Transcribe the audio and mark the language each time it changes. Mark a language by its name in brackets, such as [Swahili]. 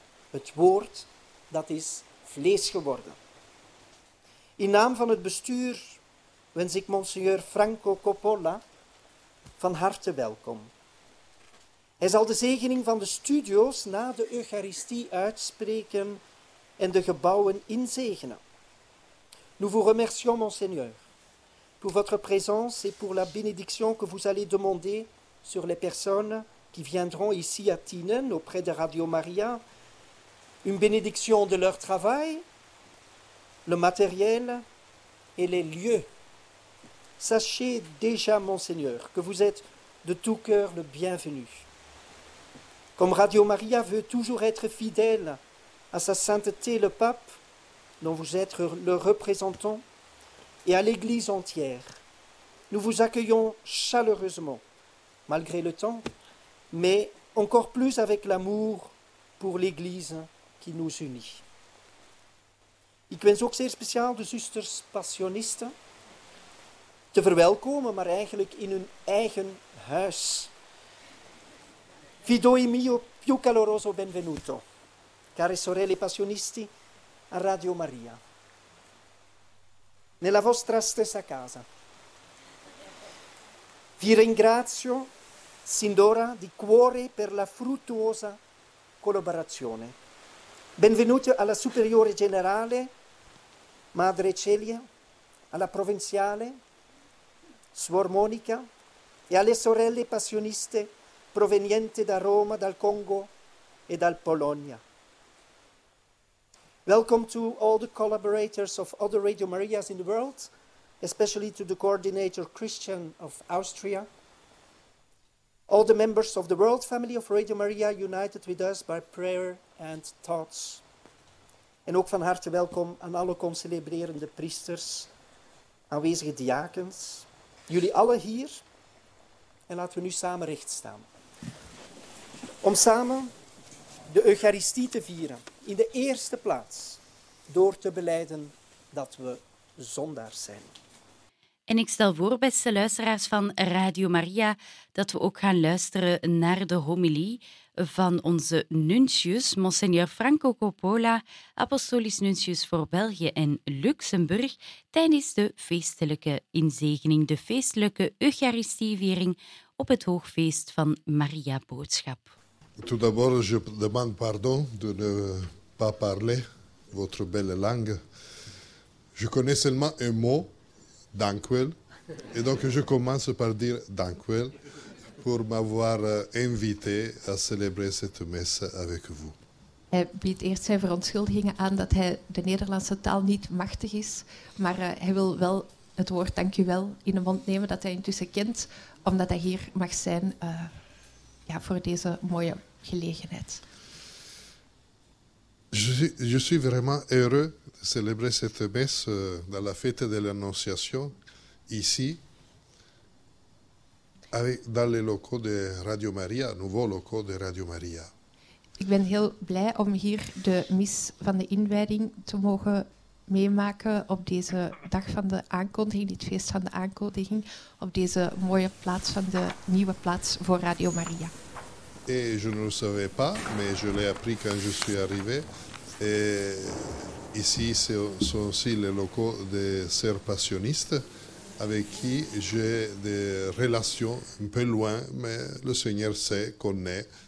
[Dutch] Het woord dat is vlees geworden. In naam van het bestuur wens ik monseigneur Franco Coppola van harte welkom. Hij zal de zegening van de studio's na de eucharistie uitspreken en de gebouwen inzegenen. [French] Nous vous remercions, monseigneur, pour votre présence et pour la bénédiction que vous allez demander sur les personnes qui viendront ici à Tienen auprès de Radio Maria. Une bénédiction de leur travail, le matériel et les lieux. Sachez déjà, monseigneur, que vous êtes de tout cœur le bienvenu. Comme Radio Maria veut toujours être fidèle à sa sainteté, le pape, dont vous êtes le représentant, et à l'Église entière, nous vous accueillons chaleureusement, malgré le temps, mais encore plus avec l'amour pour l'Église qui nous unit. [Dutch] Ik wens ook zeer speciaal de zusters passionisten te verwelkomen, maar eigenlijk in hun eigen huis. [Italian] Vi do il mio più caloroso benvenuto, care sorelle passionisti, a Radio Maria. Nella vostra stessa casa. Vi ringrazio sin d'ora di cuore per la fruttuosa collaborazione. Benvenuti alla Superiore Generale, Madre Celia, alla Provinciale, Suor Monica e alle sorelle passioniste proveniente da Roma, dal Congo e dal Polonia. [English] Welcome to all the collaborators of other Radio Marias in the world, especially to the coordinator Christian of Austria, all the members of the world family of Radio Maria united with us by prayer and thoughts. [Dutch] En ook van harte welkom aan alle concelebrerende priesters, aanwezige diakens, jullie alle hier. En laten we nu samen recht staan. Om samen de Eucharistie te vieren, in de eerste plaats door te belijden dat we zondaars zijn. En ik stel voor, beste luisteraars van Radio Maria, dat we ook gaan luisteren naar de homilie van onze nuncius, monseigneur Franco Coppola, apostolisch nuncius voor België en Luxemburg, tijdens de feestelijke inzegening, de feestelijke Eucharistieviering op het hoogfeest van Maria Boodschap. [French] Tout d'abord, je demande pardon de ne pas parler votre belle langue. Je connais seulement un mot, Dankwel. Et donc, je commence par dire Dankwel pour m'avoir invité à célébrer cette messe avec vous. [Dutch] Hij biedt eerst zijn verontschuldigingen aan dat hij de Nederlandse taal niet machtig is, maar hij wil wel het woord Dankwel in de mond nemen dat hij intussen kent, omdat hij hier mag zijn. Voor deze mooie gelegenheid. [French] Je suis vraiment heureux de célébrer cette messe dans la fête de l'Annonciation ici avec dans les locaux de Radio Maria, nouveaux locaux de Radio Maria. [Dutch] Ik ben heel blij om hier de mis van de inwijding te mogen meemaken op deze dag van de aankondiging, dit feest van de aankondiging, op deze mooie plaats van de nieuwe plaats voor Radio Maria. [French] Et je ne le savais pas, mais je l'ai appris quand je suis arrivé. Et ici, ce sont aussi les locaux des sœurs passionnistes avec qui j'ai des relations un peu loin, mais le Seigneur sait, connaît.